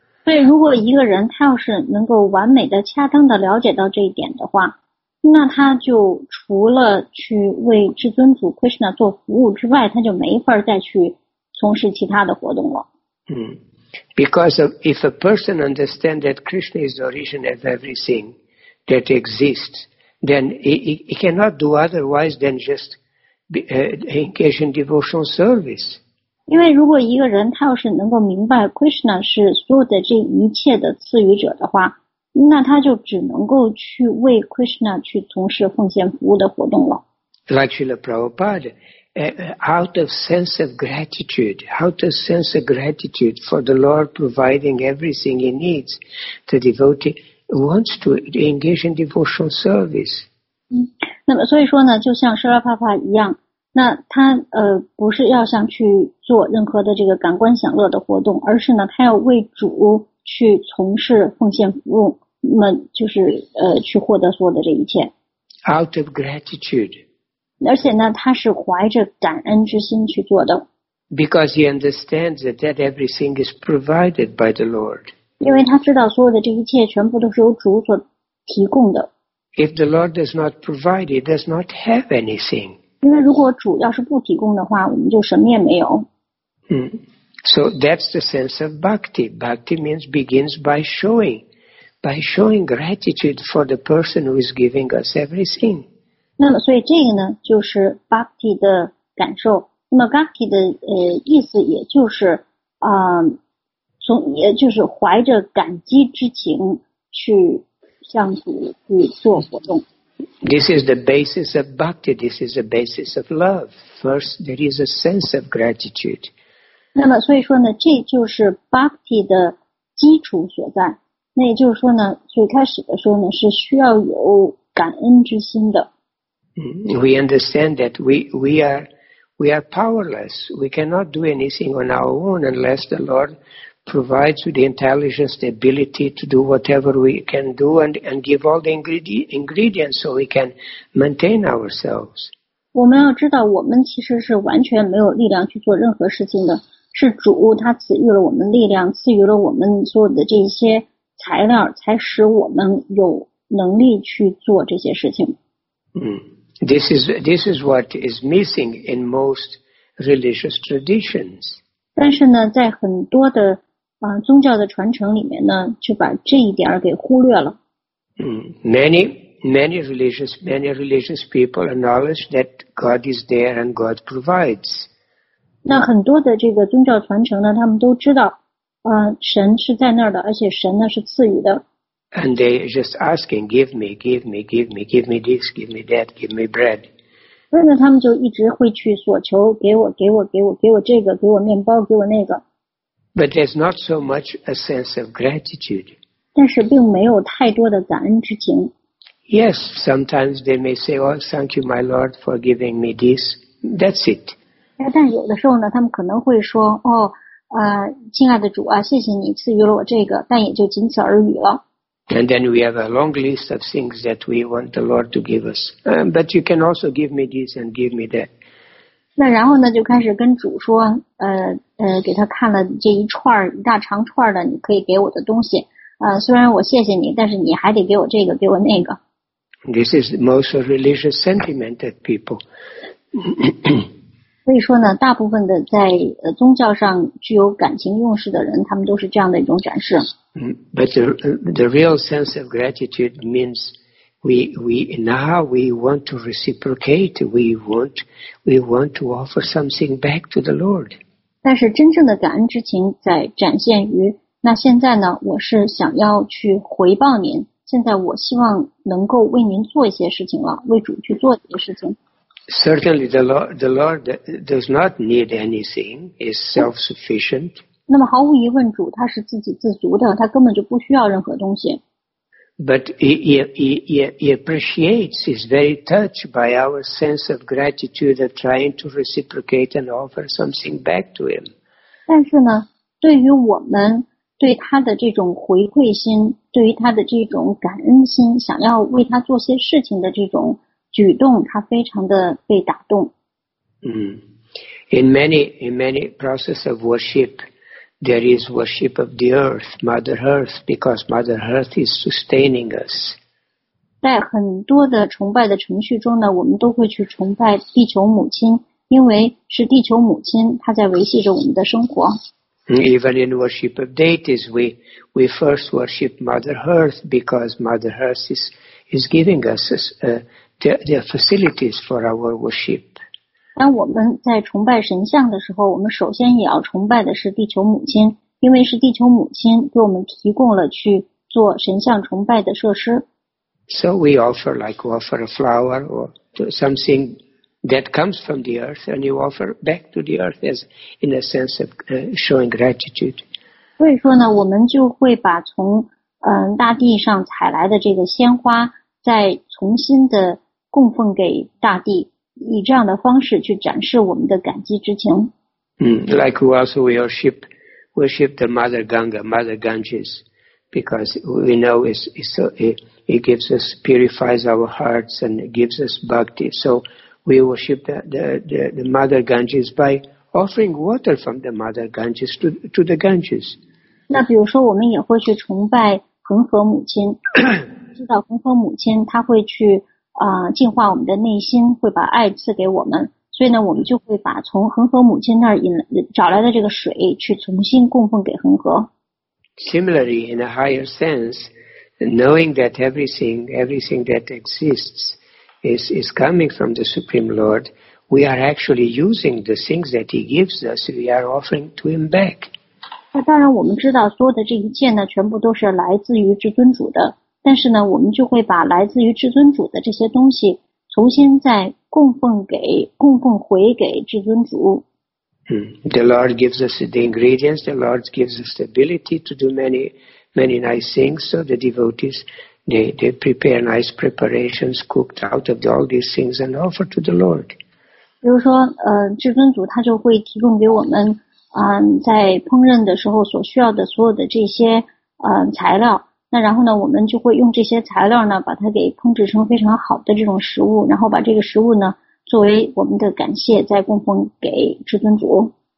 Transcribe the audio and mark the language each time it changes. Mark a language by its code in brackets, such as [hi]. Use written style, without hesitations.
[zh] 所以如果一个人他要是能够完美的恰当的了解到这一点的话，那他就除了去为至尊主 Krishna 做服务之外，他就没法再去从事其他的活动了。 [en] Because if a person understands that Krishna is the origin of everything that exists, then he cannot do otherwise than just engage in devotional service. [zh] 因为如果一个人他要是能够明白 Krishna 是所有的这一切的赐予者的话，那他就只能够去为 Krishna 去从事奉献服务的活动了。 [en] Like Srila Prabhupada,out of sense of gratitude for the Lord providing everything he needs, the devotee wants to engage in devotional service. [zh] 那么所以说呢，就像舍拉帕帕一样，那他不是要想去做任何的这个感官享乐的活动，而是呢他要为主去从事奉献服务，那么就是去获得所有的这一切。 [en] Out of gratitude. [zh] 而且呢他是怀着感恩之心去做的。 [en] Because he understands that everything is provided by the Lord. [zh] 因为他知道所有的这一切全部都是由主所提供的。 [en] If the Lord does not provide, he does not have anything. [zh] 因为如果主要是不提供的话，我们就什么也没有。 [en] So that's the sense of bhakti. Bhakti means begins by showing. By showing gratitude for the person who is giving us everything. [zh] 那么所以这个呢就是 bhakti 的感受。那么 bhakti 的意思也就是从也就是怀着感激之情去向主去做活动。 [en] This is the basis of bhakti. This is the basis of love. First, there is a sense of gratitude. [zh] 那么所以说呢这就是 bhakti 的基础所在。那也就是说呢最开始的时候呢是需要有感恩之心的。 [en] We understand that we are powerless. We cannot do anything on our own unless the Lord provides with the intelligence, the ability to do whatever we can do and give all the ingredients so we can maintain ourselves. [zh] 我们要知道我们其实是完全没有力量去做任何事情的。是主他赐予了我们力量，赐予了我们所有的这些材料，才使我们有能力去做这些事情。 [en] This is what is missing in most religious traditions. [zh] 但是呢，在很多的宗教的传承里面呢，就把这一点给忽略了。 [en] Many religious people acknowledge that God is there and God provides. [zh] 那很多的这个宗教传承呢，他们都知道。神是在那儿的，而且神呢是赐予的。 [en] And they just asking, give me, give me, give me, give me this, give me that, give me bread. [zh] 所以呢，他们就一直会去索求，给我，给我，给我，给我这个，给我面包，给我那个。 [en] But there's not so much a sense of gratitude. [zh] 但是并没有太多的感恩之情。 [en] Yes, sometimes they may say, oh, thank you, my Lord, for giving me this. That's it. [zh] 但有的时候呢，他们可能会说，哦。亲爱的主啊，谢谢你赐予了我这个，但也就仅此而已了。 [en] And then we have a long list of things that we want the Lord to give us. But you can also give me this and give me that. [zh] 那然后呢，就开始跟主说，给他看了这一串一大长串的你可以给我的东西。虽然我谢谢你，但是你还得给我这个，给我那个。 [en] This is the most religious sentiment that people. [zh] 所以说呢，大部分的在宗教上具有感情用事的人，他们都是这样的一种展示。 [en] But the real sense of gratitude means we want to reciprocate, we want to offer something back to the Lord. [zh] 但是真正的感恩之情在展现于，那现在呢，我是想要去回报您，现在我希望能够为您做一些事情了，为主去做一些事情。 [en] Certainly, the Lord does not need anything. Is self-sufficient. [zh] 那么毫无疑问，主他是自给自足的，他根本就不需要任何东西。 [en] But he appreciates. He's very touched by our sense of gratitude, of trying to reciprocate and offer something back to him. [zh] 但是呢，对于我们对他的这种回馈心，对于他的这种感恩心，想要为他做些事情的这种。举动他非常的被打动。 [en] In many process of worship, there is worship of the earth, Mother Earth, because Mother Earth is sustaining us. [zh] 在很多的崇拜的程序中呢，我们都会去崇拜地球母亲，因为是地球母亲她在维系着我们的生活。 [en] Even in worship of deities, we first worship Mother Earth because Mother Earth is giving us the facilities for our worship. [zh] 当我们在崇拜神像的时候，我们首先也要崇拜的是地球母亲，因为是地球母亲给我们提供了去做神像崇拜的设施。 [en] So we offer like offer a flower or something that comes from the earth, and you offer back to the earth as in a sense of showing gratitude. [zh] 所以说呢，我们就会把从大地上采来的这个鲜花。再重新的供奉给大地，以这样的方式去展示我们的感激之情。 [en] Like we also worship the Mother Ganga, Mother Ganges, because we know it gives us, purifies our hearts and gives us bhakti. So we worship the Mother Ganges by offering water from the Mother Ganges to the Ganges. [zh] 那比如说我们也会去崇拜恒河母亲，知道恒河母亲她会去净化我们的内心，会把爱赐给我们，所以呢我们就会把从恒河母亲那儿找来的这个水去重新供奉给恒河。 [en] Similarly, in a higher sense, knowing that everything that exists is coming from the Supreme Lord, we are actually using the things that he gives us, we are offering to him back. [zh] 那当然我们知道所有的这一切呢全部都是来自于至尊主的，但是呢我们就会把来自于至尊主的这些东西重新再供奉回给至尊主。 [en] The Lord gives us the ingredients, the Lord gives us the ability to do many, many nice things, so the devotees, they prepare nice preparations cooked out of all these things and offer to the Lord. [zh] 比如说至尊主他就会提供给我们在烹饪的时候所需要的所有的这些材料。那然后呢我们就会用这些材料呢把它给烹制成非常好的这种食物，然后把这个食物呢作为我们的感谢再供奉给至尊主。